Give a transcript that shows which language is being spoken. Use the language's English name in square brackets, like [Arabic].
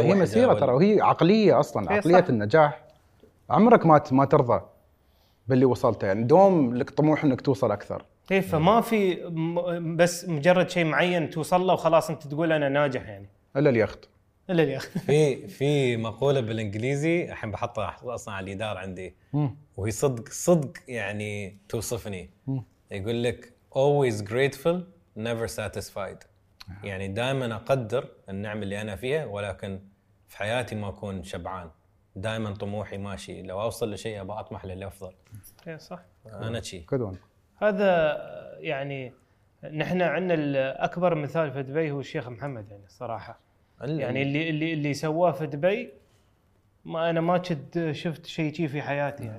[Arabic] هي مسيرة ترى، وهي عقلية أصلاً. عقلية النجاح عمرك ما ترضى باللي وصلته، يعني دوم لك طموح إنك توصل أكثر. كيف ما في بس مجرد شيء معين توصل له وخلاص انت تقول انا ناجح؟ يعني الا اليخت. في مقوله بالانجليزي الحين بحطها اصلا على الجدار عندي، وهي صدق يعني توصفني. يقول لك [English] always grateful never satisfied. [Arabic] يعني دائما اقدر النعم اللي انا فيها، ولكن في حياتي ما اكون شبعان، دائما طموحي ماشي. لو اوصل لشيء ابى اطمح للافضل. اي صح، انا شيء كدون. هذا يعني نحن عندنا الأكبر مثال في دبي هو الشيخ محمد، يعني صراحة يعني اللي سواه في دبي، ما أنا ما كنت شفت شيء كذي في حياتي.